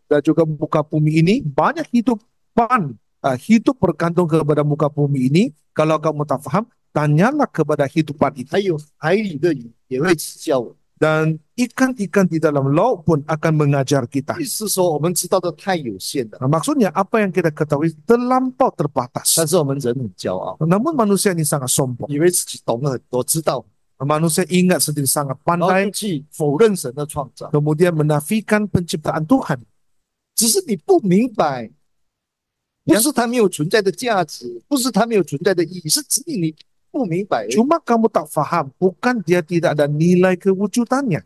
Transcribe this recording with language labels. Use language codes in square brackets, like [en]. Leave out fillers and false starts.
[ms] Dan juga muka bumi ini banyak hidup bergantung kepada muka bumi ini. Kalau kamu tak faham, tanyalah kepada hidupan itu. [zh] 还有海里的鱼也会教我。 [ms] Dan ikan-ikan di dalam laut pun akan mengajar kita. [zh] 意思说，我们知道的太有限了。 [ms] Nah, maksudnya apa yang kita ketahui terlampau terbatas. [zh] 但是我们人很骄傲。 [ms] Namun manusia ini sangat sombong. [zh] 以为自己懂了很多，知道。 [ms] Manusia ingat sendiri sangat [zh] 然后 [ms] pandai, [zh] 就去否认神的创造。 [ms] kemudian menafikan penciptaan Tuhan. [zh] 只是你不明白，不是它没有存在的价值，不是它没有存在的意义，是指你不明白而已。 [ms] Cuma kamu tak faham, bukan dia tidak ada nilai kewujudannya.